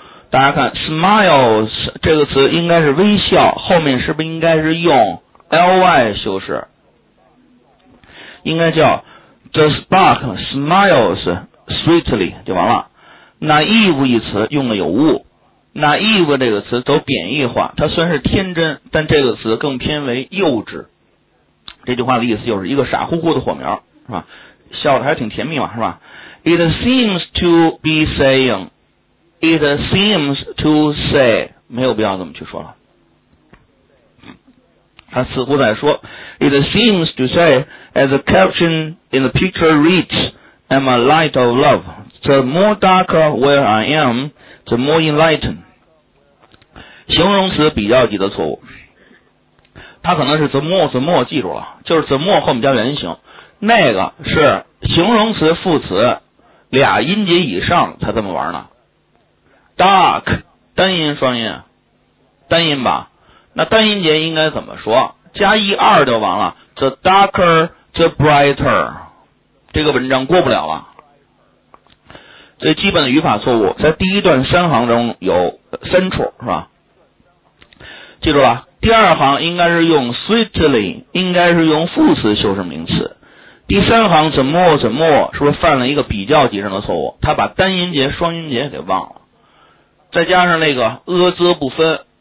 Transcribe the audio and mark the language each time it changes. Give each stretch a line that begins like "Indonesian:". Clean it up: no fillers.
Chinese: 大家看 smiles 这个词应该是微笑，后面是不是应该是用 ly 修饰，应该叫
English: the spark smiles sweetly
Chinese: 就完了。 naive 一词用的有误， naive 这个词走贬义化，它虽然是天真，但这个词更偏为幼稚，这句话的意思就是一个傻乎乎的火苗，是吧，笑的还挺甜蜜嘛，是吧。
English: it seems to be saying， it seems to say，
Chinese: 没有必要这么去说了，他似乎在说，
English: It seems to say as the caption in the picture reads I'm a light of love The more darker where I am The more enlightened，
Chinese: 形容词比较级的错误，他可能是 the more 记住了，就是 the more 后面加原形，那个是形容词副词俩音节以上才这么玩呢。 dark 单音双音单音吧，那单音节应该怎么说，加一二就完了，
English: The darker the brighter，
Chinese: 这个文章过不了了。最基本的语法错误在第一段三行中有三处，是吧，记住了，第二行应该是用 sweetly， 应该是用副词修饰名词，第三行 the more 是不是犯了一个比较级上的错误，他把单音节双音节给忘了，再加上那个则不分。